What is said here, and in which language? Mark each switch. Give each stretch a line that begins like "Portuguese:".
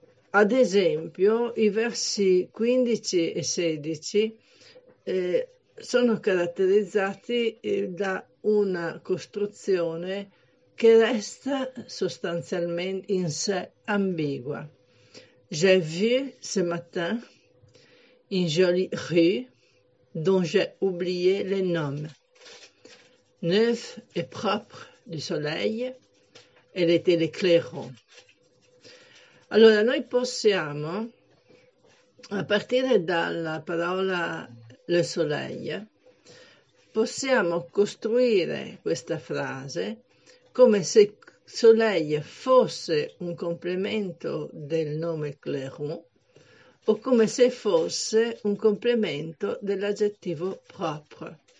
Italian: Ad esempio, i versi 15 e 16 sono caratterizzati da una costruzione che resta sostanzialmente in sé ambigua.
French: J'ai vu ce matin une jolie rue dont j'ai oublié le nom. Neuf et propre du soleil, elle était le clairon.
Italian: Allora, noi possiamo, a partire dalla parola
French: le soleil,
Italian: possiamo costruire questa frase come se soleil fosse un complemento del nome clairon o come se fosse un complemento dell'aggettivo propre.